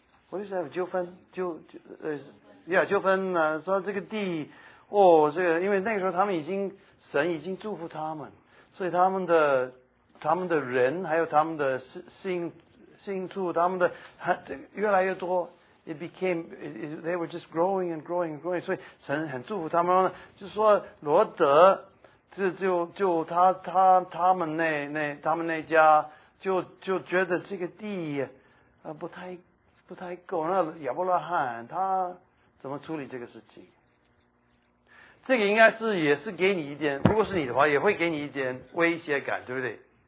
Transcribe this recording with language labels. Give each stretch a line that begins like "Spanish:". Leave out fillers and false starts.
Chinese: 我就想纠纷，纠纷呢、啊？说这个地，哦，这个因为那个时候他们已经神已经祝福他们，所以他们的人还有他们的信处，他们的越来越多。
English: They were just growing and growing and growing，
Chinese: 所以神很祝福他们。就说罗德，就他们那家就觉得这个地不太够，那亚伯拉罕他怎么处理这个事情？这个应该是也是给你一点，如果是你的话，也会给你一点威胁感，对不对？